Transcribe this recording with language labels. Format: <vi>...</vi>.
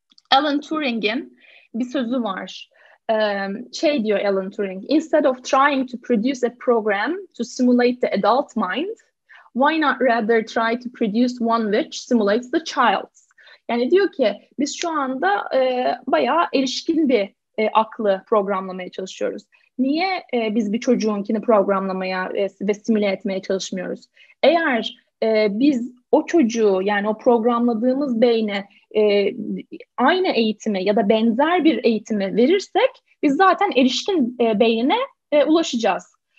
<tr>Alan Turing'in bir sözü var. Şey diyor</tr> <en>Alan Turing, instead of trying to produce a program to simulate the adult mind, why not rather try to produce one which simulates the child?</en> <tr>Yani diyor ki biz şu anda bayağı erişkin bir aklı programlamaya çalışıyoruz. Niye biz bir çocuğunkini programlamaya ve simüle etmeye çalışmıyoruz? Eğer biz o çocuğu, yani o programladığımız beyne aynı eğitimi ya da benzer bir eğitimi verirsek, biz zaten erişkin beynine ulaşacağız.</tr>